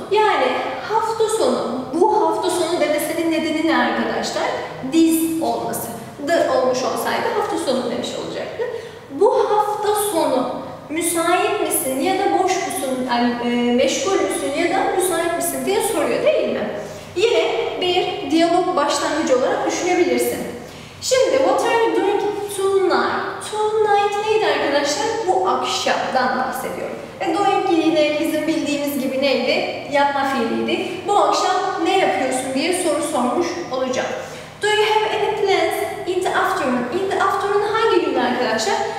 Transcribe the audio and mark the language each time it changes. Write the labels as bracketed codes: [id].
[tr] Yani hafta sonu, bu hafta sonu demesinin nedeni ne arkadaşlar? This olması. The olmuş olsaydı hafta sonu demiş olacaktı. Bu hafta sonu müsait misin ya da boş musun, yani meşgul müsün ya da müsait misin diye soruyor değil mi? Yine bir diyalog başlangıcı olarak düşünebilirsin. Şimdi [en] what are you doing tonight? [tr] Tonight neydi arkadaşlar? Bu akşamdan bahsediyorum. Doing yine bizim bildiğimiz gibi neydi? Yapma fiiliydi. Bu akşam ne yapıyorsun diye soru sormuş olacağım. [en] Do you have any plans in the afternoon? [tr] In the afternoon hangi gün arkadaşlar?